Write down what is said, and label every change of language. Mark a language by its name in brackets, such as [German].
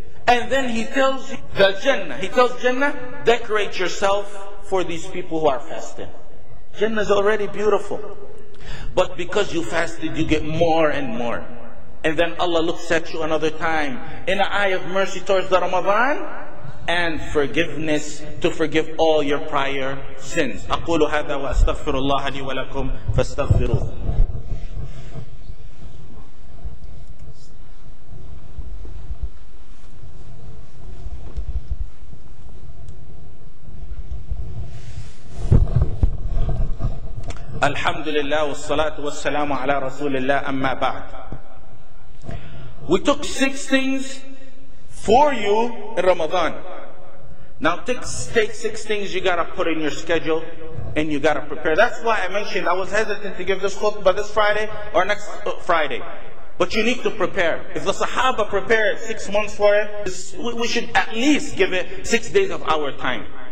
[English] And then He tells the Jannah, He tells Jannah, decorate yourself for these people who are fasting. Jannah is already beautiful. But because you fasted, you get more and more. And then Allah looks at you another time in an eye of mercy towards the Ramadan and forgiveness to forgive all your prior sins. [Arabic] أقول هذا وأستغفر الله لي ولكم فاستغفروه. الحمد لله والصلاة والسلام على رسول الله أما بعد. [English] We took 6 things for you in Ramadan. Now take 6 things you gotta put in your schedule and you gotta prepare. That's why I mentioned I was hesitant to give this khutbah this Friday or next Friday. But you need to prepare. If the Sahaba prepared 6 months for it, we should at least give it 6 days of our time.